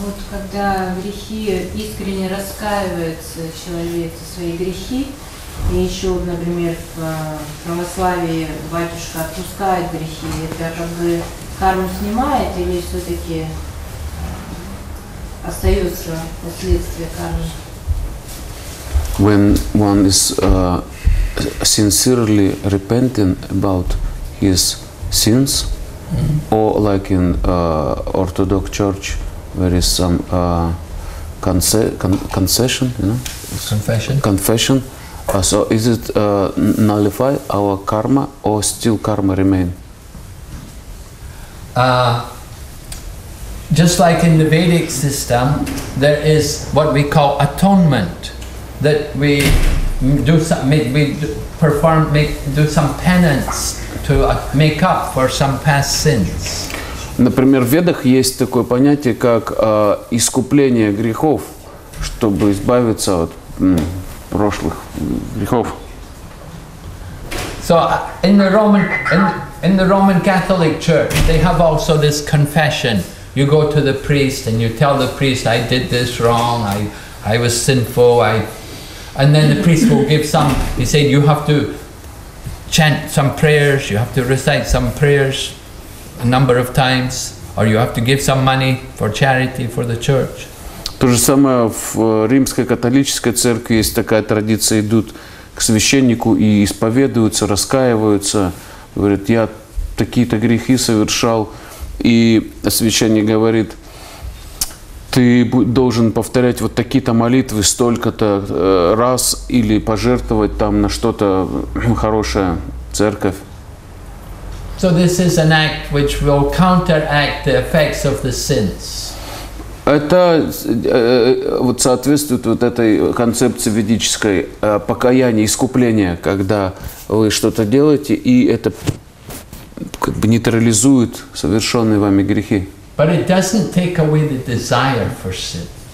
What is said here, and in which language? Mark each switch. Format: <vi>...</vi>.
<ru>Когда грехи, искренне раскаивается человек за свои грехи, и еще, например, в православии батюшка отпускает грехи, это как бы карму снимает или все-таки остается последствия кармы?</ru> <en>When one is sincerely repenting about his sins, or like in Orthodox Church, there is some concession, you know? Confession. So is it nullify our karma or still karma remain? Just like in the Vedic system, there is what we call atonement, that we make some penance to make up for some past sins.</en> <ru>Например, в Ведах есть такое понятие, как искупление грехов, чтобы избавиться от прошлых грехов.</ru> <en>So in the Roman Catholic Church, they have also this confession. You go to the priest and you tell the priest, I did this wrong, I was sinful, and then the priest will give some, he said, you have to chant some prayers, you have to recite some prayers a number of times, or you have to give some money for charity for the church.</en> <ru>То же самое в Римской католической церкви есть такая традиция, идут к священнику и исповедуются, раскаиваются, говорят, я такие-то грехи совершал, и священник говорит, ты должен повторять вот такие-то молитвы столько-то раз или пожертвовать там на что-то хорошее церковь.</ru> <en>So this is an act which will counteract the effects of the sins.</en> <ru>Это вот соответствует вот этой концепции ведической покаяния, искупления, когда вы что-то делаете, и это как бы нейтрализует совершенные вами грехи.</ru> <en>But it doesn't take away the desire for sin.</en>